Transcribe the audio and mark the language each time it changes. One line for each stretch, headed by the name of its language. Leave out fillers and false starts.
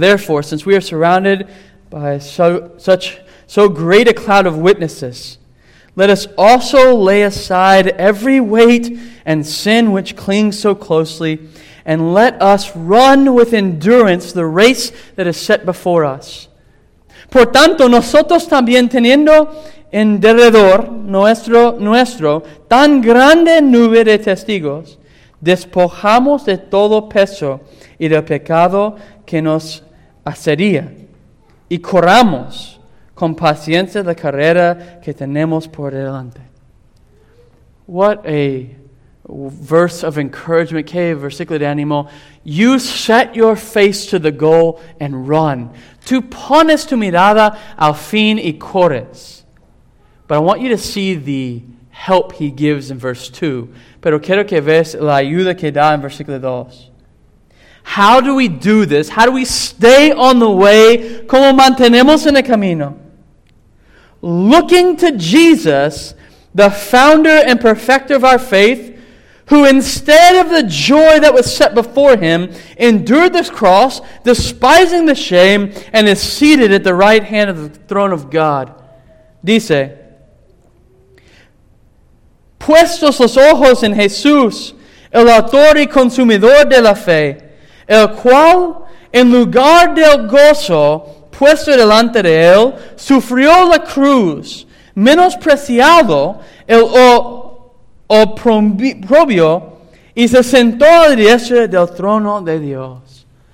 English: Therefore, since we are surrounded by so great a cloud of witnesses, let us also lay aside every weight and sin which clings so closely, and let us run with endurance the race that is set before us.
Spanish: Por tanto, nosotros también teniendo en derredor nuestro tan grande nube de testigos, despojamos de todo peso y del pecado que nos asedia, y corramos con paciencia la carrera que tenemos por delante.
English: What a verse of encouragement.
Spanish: Que versículo de ánimo.
English: You set your face to the goal and run.
Spanish: Tú pones tu mirada al fin y corres.
English: But I want you to see the help he gives in verse 2.
Spanish: Pero quiero que veas la ayuda que da en versículo 2.
English: How do we do this? How do we stay on the way?
Spanish: ¿Cómo mantenemos en el camino?
English: Looking to Jesus, the founder and perfecter of our faith, who instead of the joy that was set before him, endured this cross, despising the shame, and is seated at the right hand of the throne of God.
Spanish: Dice, puestos los ojos en Jesús, el autor y consumidor de la fe, el cual, en lugar del gozo puesto delante de él, sufrió la cruz, menospreciado el oprobio, y se sentó a la diestra del trono de Dios.